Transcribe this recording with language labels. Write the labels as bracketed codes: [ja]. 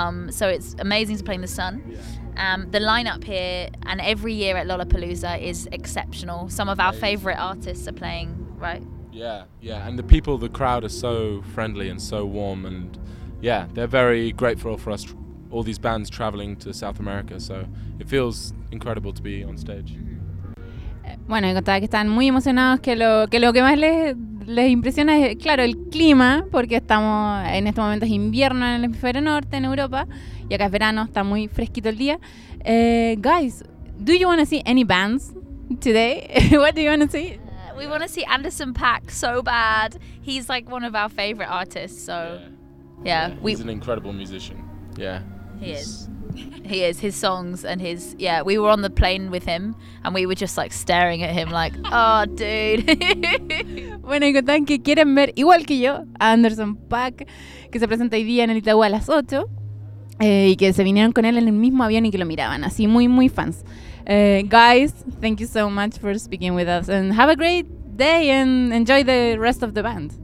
[en] So it's amazing to play in the sun. The lineup here and every year at Lollapalooza is exceptional. Some of our favorite artists are playing, right? Yeah, and the people, the crowd are so friendly and so warm, and yeah, they're very grateful for us, all these bands traveling to South America, so it feels incredible to be on stage. [es] Bueno, contaba que están muy emocionados, que lo que más les impresiona es, claro, el clima, porque estamos en este momento es invierno en el hemisferio norte, en Europa, y acá es verano, está muy fresquito el día. [en] Guys, do you want to see any bands today? What do you want to see? We want to see Anderson .Paak so bad. He's like one of our favorite artists, so yeah. He's an incredible musician. Yeah. He is. His songs and his, yeah, we were on the plane with him and we were just like staring at him like, oh, dude. [es] Bueno, y contan que quieren ver, igual que yo, a Anderson .Paak, que se presenta hoy día en el Itaú a las 8, y que se vinieron con él en el mismo avión y que lo miraban, así muy, muy fans. [en] Guys, thank you so much for speaking with us and have a great day and enjoy the rest of the band.